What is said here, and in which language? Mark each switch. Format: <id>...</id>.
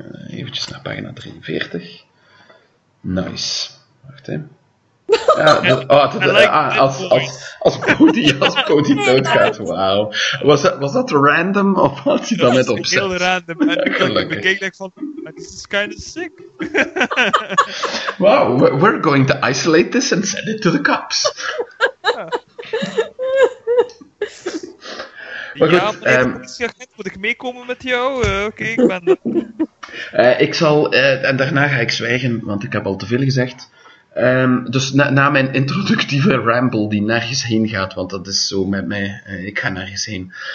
<nl>Eventjes naar pagina 43. Nice. Wacht, hè. Ja, dat, oh, dat, als Cody doodgaat, wauw. Was dat random of had hij dan net opzet? Heel random. En ja, gelukkig. Ik bekeek van,</nl> <en>this is kind of sick. Wow, we're going to isolate this and send it to the cops.</en> <nl>Maar goed, ja, maar goed, moet ik meekomen met jou? Oké, ik ben er. Ik zal, en daarna ga ik zwijgen, want ik heb al te veel gezegd. Dus na mijn introductieve ramble die nergens heen gaat, want dat is zo met mij, ik ga nergens heen.</nl>